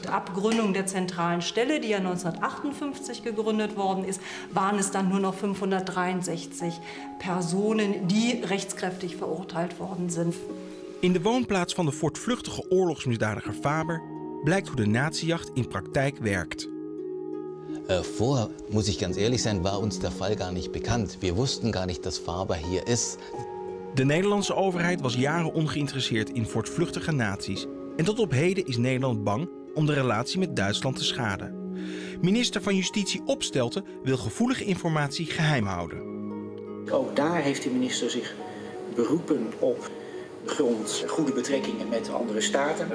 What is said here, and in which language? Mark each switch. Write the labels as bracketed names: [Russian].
[German] De Abgründung der zentralen Stelle, die ja 1958 gegründet worden ist, waren es dann nur noch 563 Personen, die rechtskräftig verurteilt worden sind. [Dutch] In de woonplaats van de voortvluchtige oorlogsmisdadiger Faber blijkt hoe de nazi-jacht in praktijk werkt. [German] Vorher, muss ich ganz ehrlich sein, war uns der Fall gar nicht bekannt. Wir wussten gar nicht, dass Faber hier ist. [Dutch] De Nederlandse overheid was jaren ongeïnteresseerd in voortvluchtige nazi's. En tot op heden is Nederland bang om de relatie met Duitsland te schaden. Minister van Justitie Opstelten wil gevoelige informatie geheim houden. Ook daar heeft de minister zich beroepen op grond goede betrekkingen met andere staten.